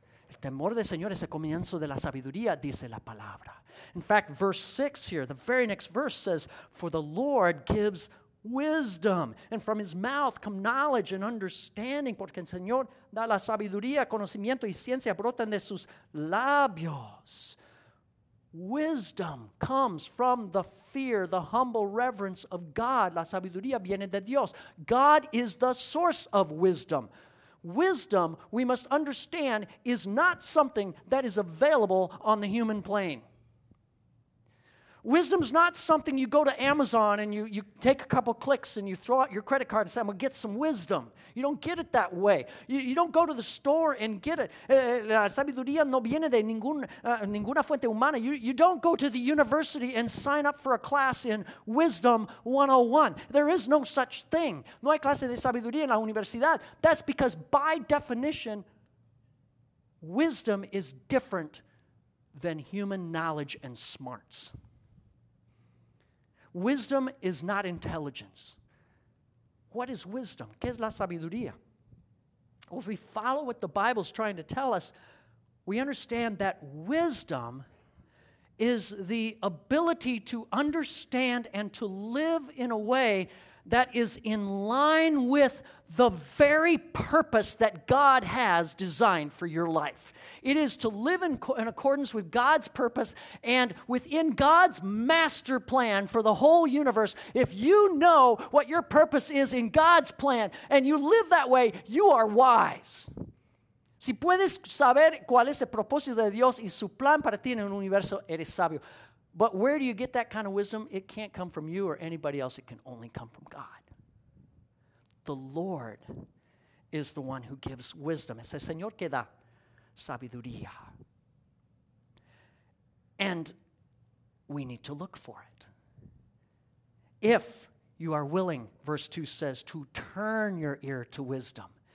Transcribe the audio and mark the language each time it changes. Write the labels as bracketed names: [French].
[Spanish] El temor del Señor es el comienzo de la sabiduría, dice la palabra. [English] In fact, verse 6 here, the very next verse says, "For the Lord gives wisdom, and from his mouth come knowledge and understanding." [Spanish] Porque el Señor da la sabiduría, conocimiento y ciencia brotan de sus labios. [English] Wisdom comes from the fear, the humble reverence of God. [Spanish] La sabiduría viene de Dios. [English] God is the source of wisdom. Wisdom, we must understand, is not something that is available on the human plane. Wisdom's not something you go to Amazon and you take a couple clicks and you throw out your credit card and say, "I'm going to get some wisdom." You don't get it that way. You don't go to the store and get it. [Spanish] La sabiduría no viene de ninguna fuente humana. [English] You don't go to the university and sign up for a class in Wisdom 101. There is no such thing. [Spanish] No hay clase de sabiduría en la universidad. [English] That's because by definition, wisdom is different than human knowledge and smarts. Wisdom is not intelligence. What is wisdom? [Spanish] ¿Qué es la sabiduría? [English] Well, if we follow what the Bible's trying to tell us, we understand that wisdom is the ability to understand and to live in a way that is in line with the very purpose that God has designed for your life. It is to live in accordance with God's purpose and within God's master plan for the whole universe. If you know what your purpose is in God's plan and you live that way, you are wise. [Spanish] Si puedes saber cuál es el propósito de Dios y su plan para ti en el universo, eres sabio. [English] But where do you get that kind of wisdom? It can't come from you or anybody else. It can only come from God. The Lord is the one who gives wisdom. [Spanish] Es el Señor que da sabiduría. [English] And we need to look for it. If you are willing, verse 2 says, to turn your ear to wisdom.